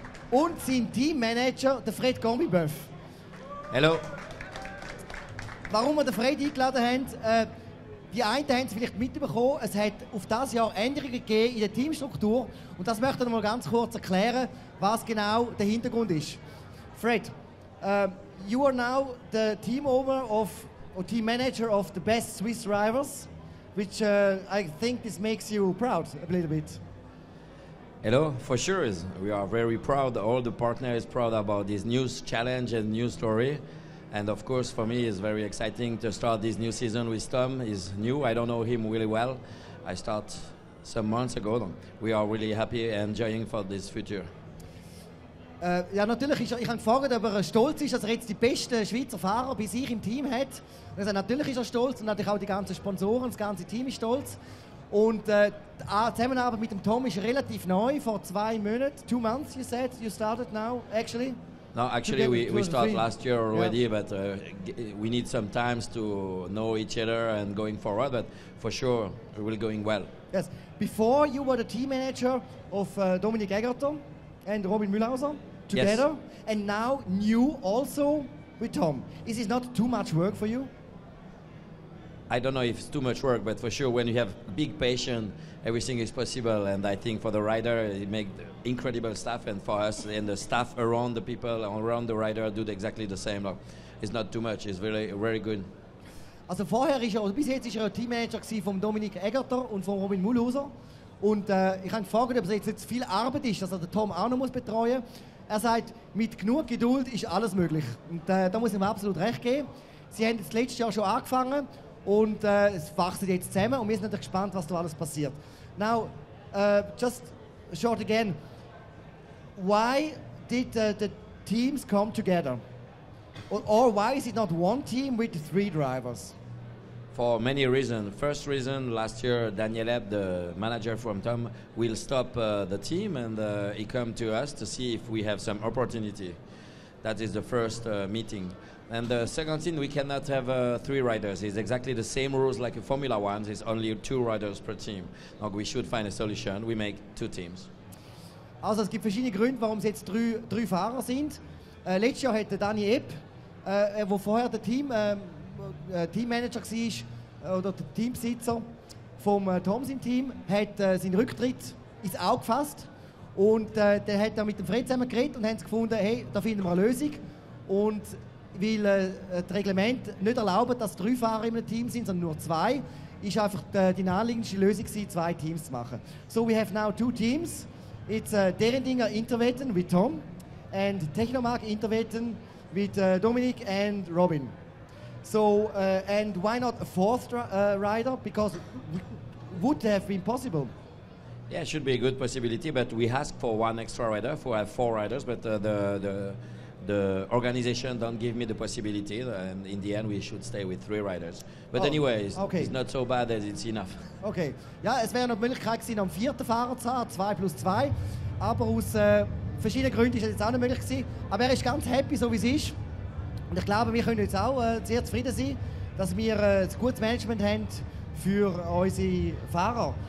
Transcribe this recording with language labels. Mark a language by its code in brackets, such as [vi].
[de] Und sein Teammanager, der Fred Gombiboeuf. Hallo. Warum wir den Fred eingeladen haben, die einen haben es vielleicht mitbekommen, es hat auf dieses Jahr Änderungen gegeben in der Teamstruktur. Und das möchte ich noch mal ganz kurz erklären, was genau der Hintergrund ist. [en] Fred, you are now the team owner of, or team manager of the best Swiss drivers. Which I think this makes you proud a little bit. Hello, for sure. We are very proud. All the partners are proud about this new challenge and new story. And of course, for me, it's very exciting to start this new season with Tom. He's new. I don't know him really well. I start some months ago. We are really happy and enjoying for this future. [de] Ja, natürlich, ich habe gefragt, ob er stolz ist, dass er jetzt die besten Schweizer Fahrer bei sich im Team hat. Also, natürlich ist er stolz und natürlich auch die ganzen Sponsoren, das ganze Team ist stolz. Und die Zusammenarbeit mit dem Tom ist relativ neu, vor zwei Monaten. [en] Two months, you said, you started now, actually? No, actually, we started last year already, yeah. But we need some time to know each other and going forward, but for sure, we're really going well. Yes, before you were the team manager of Dominik Egerton, and Robin Mühlhauser together, yes. And now new also with Tom. Is this not too much work for you? I don't know if it's too much work, but for sure when you have big passion, everything is possible. And I think for the rider, it makes incredible stuff. And for us and the staff around the people, around the rider, do exactly the same. It's not too much, it's very, very good. [de] Also vorher ist er, oder bis jetzt ist er Teammanager gewesen von Dominik Egerton und von Robin Mühlhauser. Und ich habe gefragt, ob es jetzt viel Arbeit ist, dass er den Tom auch noch betreuen muss. Er sagt, mit genug Geduld ist alles möglich. Und da muss ich ihm absolut recht geben. Sie haben das letzte Jahr schon angefangen und es wachsen jetzt zusammen. Und wir sind natürlich gespannt, was da alles passiert. [en] Now, just short again. Why did the teams come together? Or why is it not one team with three drivers? For many reasons. First reason, last year, Daniel Ebb, the manager from Tom, will stop the team and he come to us to see if we have some opportunity. That is the first meeting. And the second thing, we cannot have three riders. It's exactly the same rules like a Formula One. It's only two riders per team. Now we should find a solution. We make two teams. [de] Also, es gibt verschiedene Gründe, warum es jetzt drei Fahrer sind. Letztes Jahr hatte Daniel Ebb, wo vorher der Team... Teammanager war oder der Teambesitzer vom Toms im Team, hat seinen Rücktritt ins Auge gefasst und der hat dann mit dem Fred zusammen geredet und haben gefunden, hey, da finden wir eine Lösung. Und weil das Reglement nicht erlaubt, dass drei Fahrer im Team sind, sondern nur zwei, ist einfach die naheliegendste Lösung gewesen, zwei Teams zu machen. [en] So, we have now two teams. It's Derendinger Interwetten with Tom and Technomark Interwetten with Dominik and Robin. So, and why not a fourth rider? Because would have been possible. Yeah, it should be a good possibility, but we ask for one extra rider, for have four riders, but the organization don't give me the possibility, and in the end we should stay with three riders. But anyway, it's not so bad that it's enough. [de] Okay, ja, es wäre noch die Möglichkeit gewesen, am vierten Fahrer zu haben, 2+2, aber aus verschiedenen Gründen ist es jetzt auch nicht möglich gewesen. Aber er ist ganz happy, so wie es ist. Und ich glaube, wir können jetzt auch sehr zufrieden sein, dass wir ein gutes Management haben für unsere Fahrer.